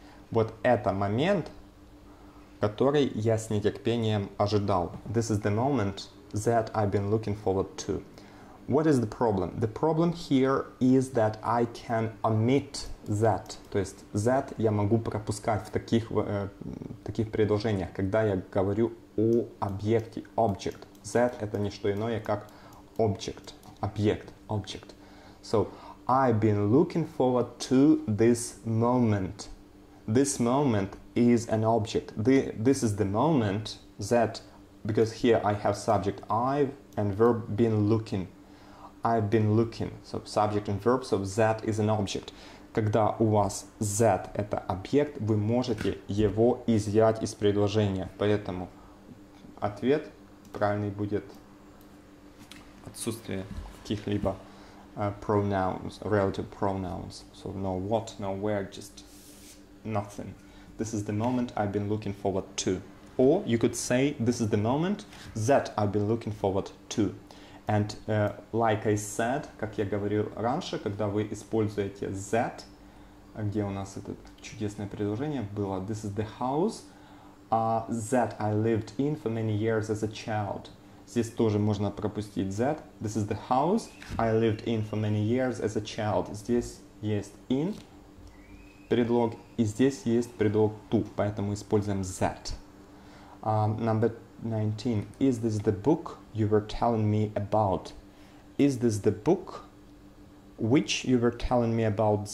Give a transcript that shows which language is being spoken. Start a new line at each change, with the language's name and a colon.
Russian: Вот это момент, который я с нетерпением ожидал.
English: This is the moment that I've been looking forward to. What is the problem? The problem here is that I can omit that.
Russian: То есть that я могу пропускать в таких предложениях, когда я говорю о объекте, object. That — это не что иное, как object, объект, object.
English: So, I've been looking forward to this moment. This moment is an object. This is the moment that, because here I have subject I've and verb been looking. I've been looking. So subject and verb, so that is an object.
Russian: Когда у вас that — это объект, вы можете его изъять из предложения. Поэтому ответ правильный будет отсутствие каких-либо pronouns,
English: relative pronouns. So no what, no where, just nothing. This is the moment I've been looking forward to. Or you could say, this is the moment that I've been looking forward to. And like I said,
Russian: как я говорил раньше, когда вы используете that, где у нас это чудесное предложение было,
English: this is the house that I lived in for many years as a child.
Russian: Здесь тоже можно пропустить that.
English: This is the house I lived in for many years as a child.
Russian: Здесь есть in предлог, и здесь есть предлог to, поэтому используем that.
English: Number 19. Is this the book you were telling me about? Is this the book which you were telling me about?